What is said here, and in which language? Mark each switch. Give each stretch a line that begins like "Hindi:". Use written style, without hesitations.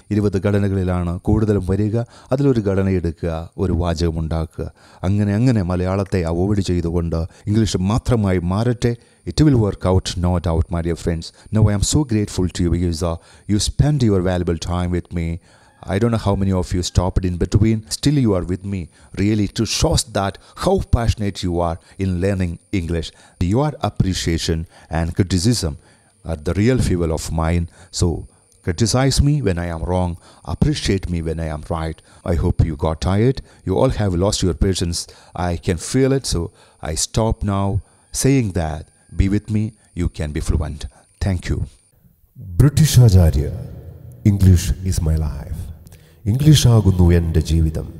Malayalam: 20 ഘടനകളിലാണ് കൂടുതലും വരിക. അതിലൊരു ഘടന എടുക്കുക, ഒരു വാചകമുണ്ടാക്കുക. അങ്ങനെ അങ്ങനെ മലയാളത്തെ അവോയ്ഡ് ചെയ്തുകൊണ്ട് ഇംഗ്ലീഷ് മാത്രമായി മാറട്ടെ.
English: It will work out, no doubt my dear friends. No I am so grateful to you because you spend your valuable time with me. I don't know how many of you stopped in between. Still you are with me. Really it shows that how passionate you are in learning English. Your appreciation and criticism are the real fuel of mine. So Criticize me when I am wrong. Appreciate me when I am right. I hope you got tired. You all have lost your patience. I can feel it. So I stop now saying that. Be with me. You can be fluent. Thank you.
Malayalam: British Acharya,
English: English is my life.
Malayalam: English ആകുന്നു എൻ്റെ ജീവിതം.